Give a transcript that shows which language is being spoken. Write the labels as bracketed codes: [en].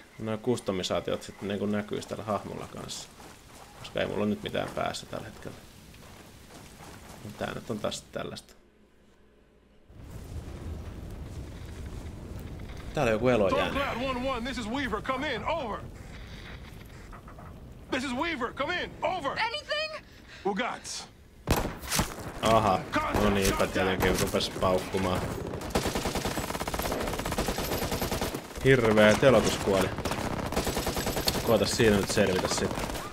[fi] Noi kustomisaatiot sitten niin näkyis tällä hahmolla kanssa. Koska ei mulla nyt mitään päässä tällä hetkellä. Tää nyt on taas tällaista. Täällä on joku elo jäänyt. [en] This is Weaver, come in, over! This is Weaver, come in, over! Anything? Who got? [fi] Aha, no niinpä tietenkin rupes paukkumaan. Hirveä telotus kuoli. Koeta siinä nyt selvitä sitten.